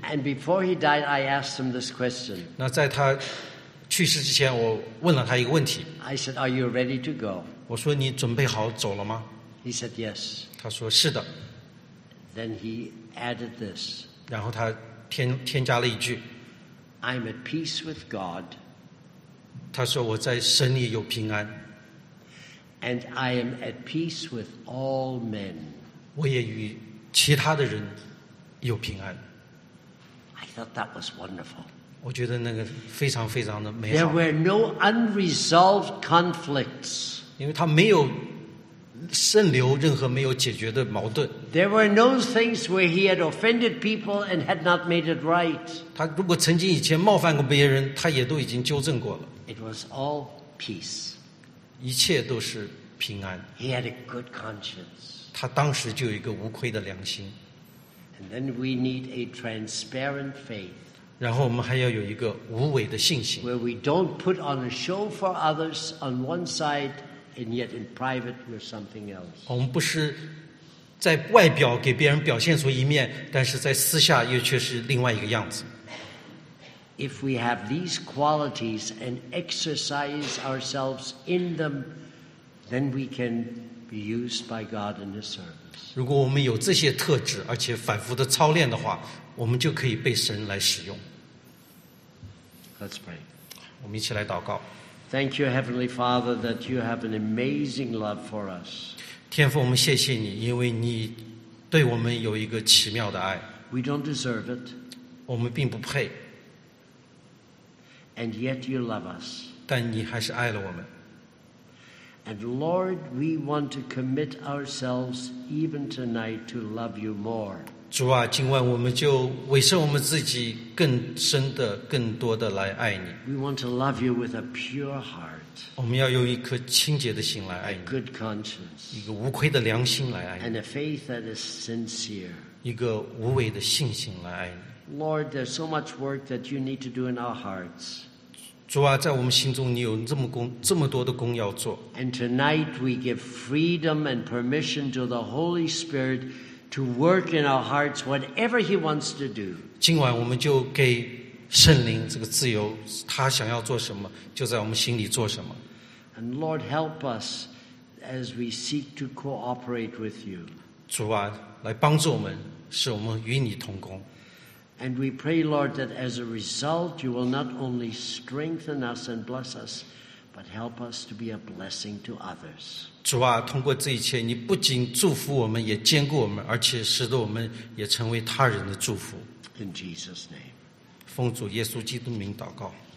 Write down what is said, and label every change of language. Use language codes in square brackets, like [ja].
[en] And before he died, I asked him this question. [zh] 那在他去世之前，我问了他一个问题。 [en] I said, "Are you ready to go?" [zh] 我说你准备好走了吗 [en] ？He said, "Yes." [zh] 他说是的。 [en] Then he added this. [zh] 然后他添加了一句 [en] ，"I'm at peace with God." [zh] 他说我在神里有平安。 [en] And I am at peace with all men. [zh] 我也与其他的人有平安。 [en] I thought that was wonderful. [zh] 我觉得那个非常非常的美好。 [en] There were no unresolved conflicts. [zh] 因为他没有渗流任何没有解决的矛盾。 [en] There were no things where he had offended people and had not made it right. [zh] 他如果曾经以前冒犯过别人，他也都已经纠正过了。 [en] It was all peace. [zh] 一切都是平安。 [en] He had a good conscience. [zh] 他当时就有一个无愧的良心。 [en] And then we need a transparent faith. [zh] 然后我们还要有一个无伪的信心。 [en] Where we don't put on a show for others on one side, and yet in private we're something else. [zh] 我们不是在外表给别人表现出一面，但是在私下又却是另外一个样子。 [en] If we have these qualities and exercise ourselves in them, then we can be used by God in His service. [zh] 如果我们有这些特质，而且反复的操练的话，我们就可以被神来使用。 [en] Let's pray. [zh] 我们一起来祷告。 [en] Thank you, Heavenly Father, that you have an amazing love for us. [zh] 天父，我们谢谢你，因为你对我们有一个奇妙的爱。 [en] We don't deserve it. [zh] 我们并不配。 [en] And yet you love us. [zh] 但你还是爱了我们。 [en] And Lord, we want to commit ourselves even tonight to love you more. [zh] 主啊，今晚我们就委身我们自己，更深的、更多的来爱你。 [en] We want to love you with a pure heart. [zh] 我们要用一颗清洁的心来爱你。 [en] A good conscience. [zh] 一个无愧的良心来爱你。 [en] And a faith that is sincere. [zh] 一个无伪的信心来爱你。 [en] Lord, there's so much work that you need to do in our hearts. [zh] 主啊，在我们心中你有这么多的工要做。 [en] And tonight we give freedom and permission to the Holy Spirit to work in our hearts whatever he wants to do. [zh] 今晚我们就给圣灵这个自由，他想要做什么，就在我们心里做什么。 [en] And Lord, help us as we seek to cooperate with you. [zh] 主啊，来帮助我们，使我们与你同工。 [en] And we pray, Lord, that as a result, you will not only strengthen us and bless us, but help us to be a blessing to others. [zh] 主啊，通过这一切，你不仅祝福我们，也坚固我们，而且使得我们也成为他人的祝福。 [en] In Jesus' name. [zh] 奉主耶稣基督的名祷告。